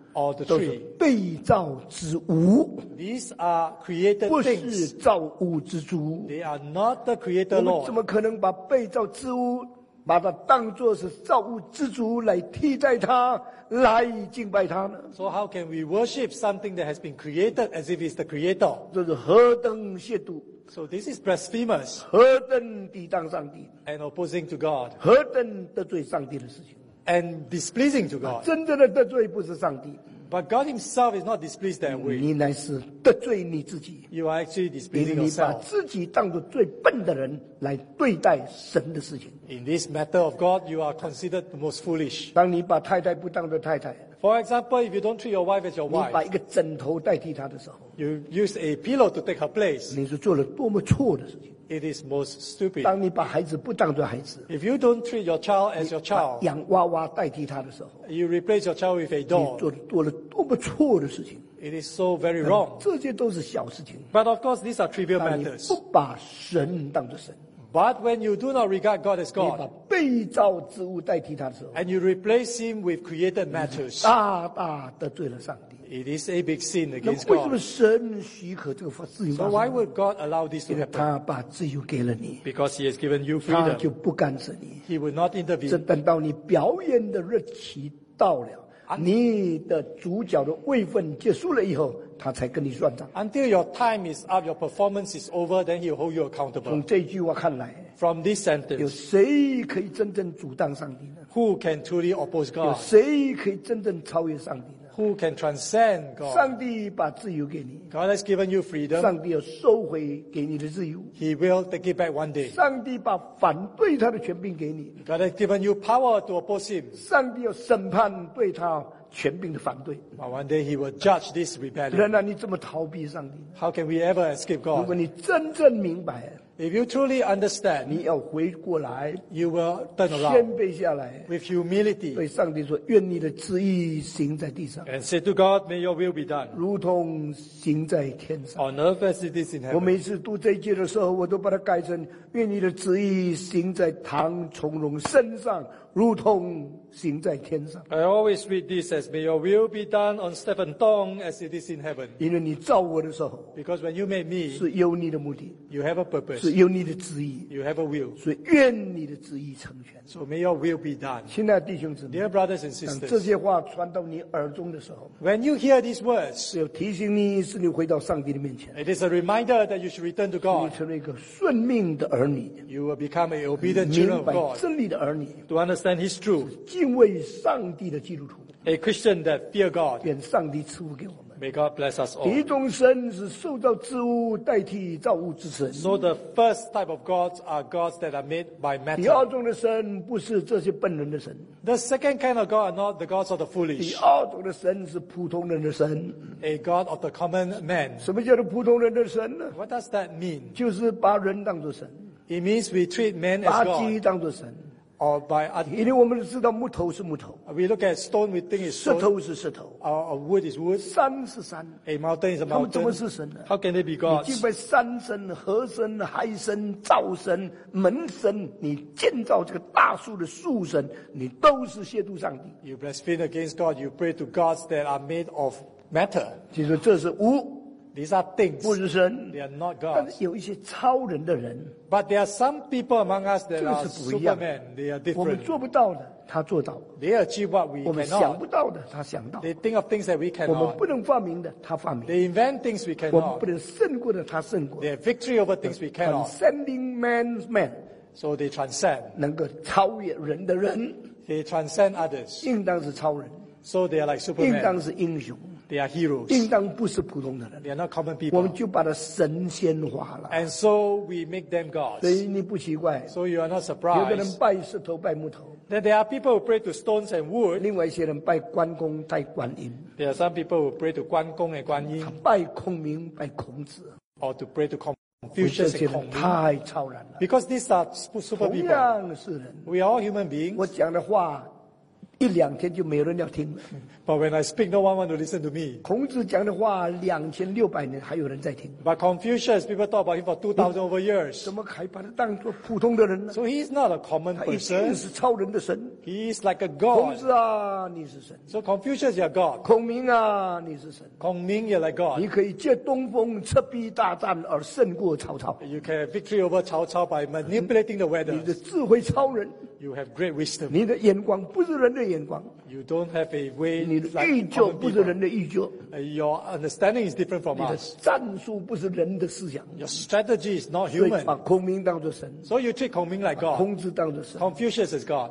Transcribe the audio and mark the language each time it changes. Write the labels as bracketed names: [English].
[English] Or the tree. [Chinese] 都是被造之物 [English] These are created [Chinese] 不是造物之主 [English] They are not the creator Lord [Chinese] 我们怎么可能把被造之物把它当作是造物之主来替代它来敬拜它呢 [English] So how can we worship something that has been created as if it's the creator [Chinese] 这是何等亵渎 [English] So this is blasphemous [Chinese] 何等抵挡上帝 [English] And opposing to God [Chinese] 何等得罪上帝的事情 [English] And displeasing to God. [Chinese] 真正的得罪不是上帝。 [English] But God himself is not displeased that way. [Chinese] 你乃是得罪你自己。 [English] You are actually displeasing yourself. [Chinese] 你把自己当作最笨的人来对待神的事情。 [English] In this matter of God, you are considered the most foolish. [Chinese] 当你把太太不当作太太。 [English] For example, if you don't treat your wife as your wife, [Chinese] 你把一个枕头代替她的时候。 [English] You use a pillow to take her place. [Chinese] 你是做了多么错的事情。 [English] It is most stupid. [Chinese] 当你把孩子不当作孩子。 [English] If you don't treat your child as your child, [Chinese] 养娃娃代替他的时候。 [English] You replace your child with a doll. [Chinese] 你做了多么错的事情。 [English] It is so very wrong. [Chinese] 这些都是小事情。 [English] But of course, these are trivial matters. [Chinese] 当你不把神当作神。 [English] But when you do not regard God as God, [Chinese] 你把被造之物代替他的时候。 [English] And you replace him with created matters. [Chinese] 大大得罪了上帝。 [English] It is a big sin against God. [Chinese] 那为什么神许可这个事情发生？ [English] So why would God allow this to happen? [Chinese] 因为他把自由给了你。 [English] Because he has given you freedom. [Chinese] 他就不干涉你。 [English] He would not intervene. [Chinese] 这等到你表演的日期到了，你的主角的位分结束了以后，他才跟你算账。 [English] Until your time is up, your performance is over, then he will hold you accountable. [Chinese] 从这句话看来。 [English] From this sentence, [Chinese] 有谁可以真正阻挡上帝呢？ [English] Who can truly oppose God? [Chinese] 有谁可以真正超越上帝呢？ [English] Who can transcend God? [Chinese] 上帝把自由给你。 [English] God has given you freedom. [Chinese] 上帝要收回给你的自由。 [English] He will take it back one day. [Chinese] 上帝把反对他的权柄给你。 [English] God has given you power to oppose him. [Chinese] 上帝要审判对他权柄的反对。 [English] But one day he will judge this rebellion. [Chinese] 仍然你这么逃避上帝。 [English] How can we ever escape God? [Chinese] 如果你真正明白， [English] If you truly understand, [Chinese] 你要回过来， [English] you will turn around, [Chinese] 谦卑下来， [English] with humility, [Chinese] 对上帝说，愿你的旨意行在地上， [English] and say to God, may your will be done, [Chinese] 如同行在天上， [English] on earth as it is in heaven. [Chinese] 我每次读这一节的时候，我都把它改成，愿你的旨意行在唐崇荣身上，如同行在天上。 [English] I always read this as, may your will be done on Stephen Tong as it is in heaven. [Chinese] 因为你造我的时候， [English] because when you made me, [Chinese] 是有你的目的， [English] you have a purpose, [Chinese] 是有你的旨意， [English] you have a will, [Chinese] 所以愿你的旨意成全。 [English] So may your will be done. [Chinese] 亲爱的弟兄姊妹， [English] Dear brothers and sisters, [Chinese] 当这些话传到你耳中的时候， [English] when you hear these words, [Chinese] 是要提醒你，是你回到上帝的面前。 [English] It is a reminder that you should return to God. [Chinese] 你成为一个顺命的儿女。 [English] You will become an obedient children of God. [Chinese] 明白真理的儿女。 [English] To understand his truth. [Chinese] 敬畏上帝的基督徒， [English] A Christian that fear God, [Chinese] 愿上帝赐福给我们。 [English] May God bless us all. [Chinese] 第一种神是受造之物代替造物之神。 [English] So the first type of gods are gods that are made by matter. [Chinese] 第二种的神不是这些笨人的神。 [English] The second kind of God are not the gods of the foolish. [Chinese] 第二种的神是普通人的神。 [English] A God of the common man. [Chinese] 什么叫做普通人的神呢？ [English] What does that mean? [Chinese] 就是把人当作神。 [English] It means we treat men as God. [Chinese] 把鸡当作神。 [English] Or by a, [Chinese] 因为我们知道木头是木头。 [English] We look at stone, we think it's stone. [Chinese] 石头是石头。 [English] A wood is wood. [Chinese] 山是山。 [English] A mountain is a mountain. [Chinese] 他们怎么是神呢？ [English] How can they be gods? [Chinese] 你敬拜山神、河神、海神、灶神、门神，你建造这个大树的树神，你都是亵渎上帝。 [English] You blaspheme against God. You pray to gods that are made of matter. [Chinese] 其实这是无。 [English] These are things. [Chinese] 不是神。 [English] They are not gods. [Chinese] 但是有一些超人的人。 [English] But there are some people among us that are Superman. They are different. [Chinese] 我们做不到的，他做到。 [English] They achieve what we cannot. [Chinese] 我们想不到的，他想到。 [English] They think of things that we cannot. [Chinese] 我们不能发明的，他发明。 [English] They invent things we cannot. [Chinese] 我们不能胜过的，他胜过。 [English] They have victory over things we cannot. Transcending man's man. So they transcend. [Chinese] 能够超越人的人。 [English] They transcend others. [Chinese] 应当是超人。 [English] So they are like Superman. [Chinese] 应当是英雄。 [English] They are heroes. [Chinese] 应当不是普通的人。 [English] They are not common people. [Chinese] 我们就把它神仙化了。 [English] And so we make them gods. [Chinese] 所以你不奇怪。 [English] So you are not surprised. [Chinese] 有的人拜石头拜木头。 [English] Then there are people who pray to stones and wood. [Chinese] 另外一些人拜关公拜观音。 [English] There are some people who pray to 关公 and 观音。 [Chinese] 拜孔明拜孔子。 [English] Or to pray to Confucius and 孔明。 [Chinese] 太超然了。 [English] Because these are super people. [Chinese] 同样是人。 [English] We are all human beings. [Chinese] 我讲的话。一两天就没人要听。 [English] But when I speak, no one wants to listen to me. [Chinese] 孔子讲的话2600年还有人在听。 [English] But Confucius, people talk about him for 2,000 over years. [Chinese] 怎么还把他当作普通的人呢？ [English] So he is not a common person. [Chinese] 他一定是超人的神。 [English] He is like a god. [Chinese] 孔子啊，你是神。 [English] So Confucius, you're god. [Chinese] 孔明啊，你是神。 [English] 孔明 you're like god. [Chinese] 你可以借东风赤壁大战而胜过曹操。 [English] You can have victory over 曹操 by manipulating the weather. [Chinese] 你的智慧超人。 [English] You have great wisdom. [Chinese] 你的眼光不是人的眼光。 [English] You don't have a way. [Chinese] 你的依旧不是人的依旧。 [English] Your understanding is different from us. [Chinese] 你的战术不是人的思想。 [English] Your strategy is not human. [Chinese] 把孔明当作神。 [English] So you treat 孔明 like God. [Chinese] 孔子当作神。 [English] Confucius is God.